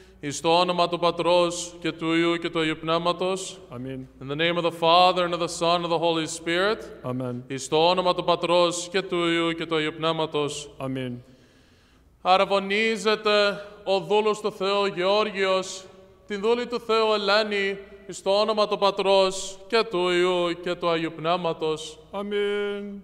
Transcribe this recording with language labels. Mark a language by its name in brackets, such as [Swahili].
[Greek] Εις το όνομα του Πατρός και του Υιού και του Αγίου Πνεύματος. Αμήν. [English] In the name of the Father and of the Son and of the Holy Spirit. [Greek] Αμήν. Εις το όνομα του Πατρός και του Υιού και του Αγίου Πνεύματος. Αμήν. Αρευωνίζεται ο δούλος του Θεού Γεώργιος, την δούλη του Θεού Ελένη, εις το όνομα του Πατρός και του Υιού και του Αγίου Πνεύματος. Αμήν.